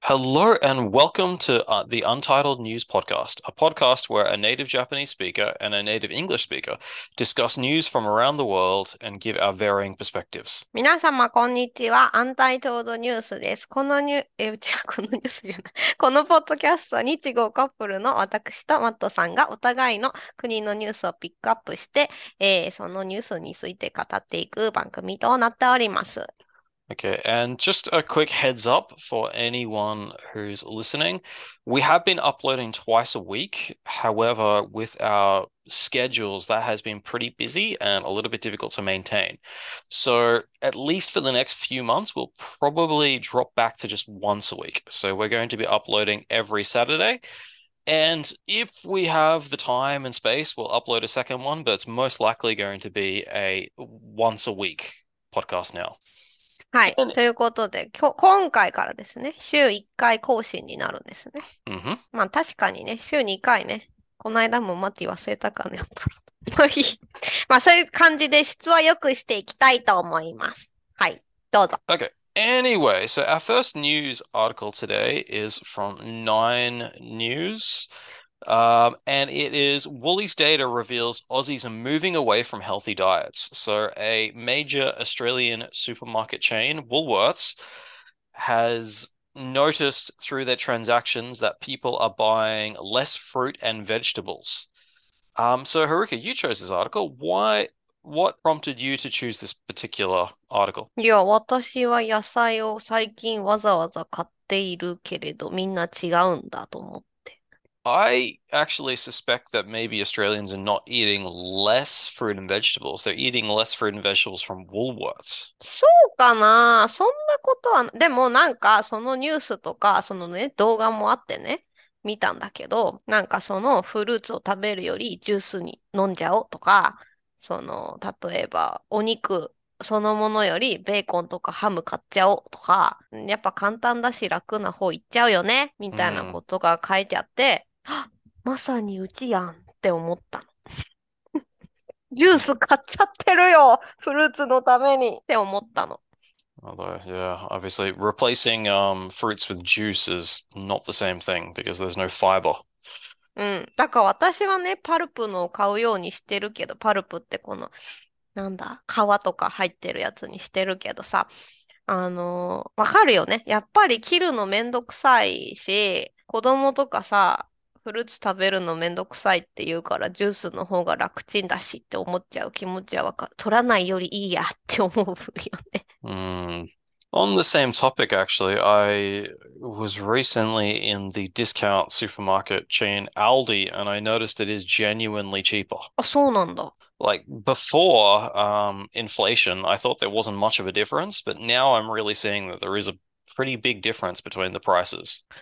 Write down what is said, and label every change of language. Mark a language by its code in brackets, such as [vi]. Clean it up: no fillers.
[en] Hello and welcome to the Untitled News Podcast, a podcast where a native Japanese speaker and a native English speaker discuss news from around the world and give our varying perspectives. [ja] 皆様、こんにちは。アンタイトードニュースです。このニュ、え、うちはこのニュースじゃない。このポッドキャスト、日豪カップルの私とマットさんが、お互いの国のニュースをピックアップして、そのニュースについて語っていく番組となっております。 [en] Okay, and just a quick heads up for anyone who's listening. We have been uploading twice a week. However, with our schedules, that has been pretty busy and a little bit difficult to maintain. So, at least for the next few months, we'll probably drop back to just once a week. So, we're going to be uploading every Saturday. And if we have the time and space, we'll upload a second one, but it's most likely going to be a once a week podcast now. [ja] はい。ということで、今回からですね、週1回更新になるんですね。まあ確かにね、週2回ね、この間もマティ忘れたかな、ね、やっぱり。まあそういう感じで質は良くしていきたいと思います。はい。どうぞ。 [en] Okay. Anyway, so our first news article today is from Nine News. And it is Woolies data reveals Aussies are moving away from healthy diets. So, a major Australian supermarket chain, Woolworths, has noticed through their transactions that people are buying less fruit and vegetables. So, Haruka, you chose this article. What prompted you to choose this particular article? [ja] いや、私は野菜を最近わざわざ買っているけれど、みんな違うんだと思って。 [en] I actually suspect that maybe Australians are not eating less fruit and vegetables. They're eating less fruit and vegetables from Woolworths. [ja] そうかな？そんなことは、でもなんかそのニュースとか、そのね、動画もあってね、見たんだけど、なんかそのフルーツを食べるよりジュースに飲んじゃおうとか、その例えばお肉、そのものよりベーコンとかハム買っちゃおうとか、やっぱ簡単だし楽な方行っちゃうよね、みたいなことが書いてあって、あ、まさにうちやんって思ったの。ジュース買っちゃってるよ、フルーツのためにって思ったの。 [en] Although, yeah, obviously replacing fruits with juice is not the same thing because there's no fiber. [ja] うん。だから私はね、パルプのを買うようにしてるけど、パルプってこの、なんだ、皮とか入ってるやつにしてるけどさ、わかるよね。やっぱり切るのめんどくさいし、子供とかさ、フルーツ食べるのめんどくさいって言うから、ジュースの方が楽ちんだしって思っちゃう気持ちはわかる。取らないよりいいやって思うよね。 [en] On the same topic, actually, I was recently in the discount supermarket chain Aldi, and I noticed it is genuinely cheaper. [ja] あ、そうなんだ。 [en] Like before, inflation, I thought there wasn't much of a difference, but now I'm really seeing that there is a pretty big difference between the prices.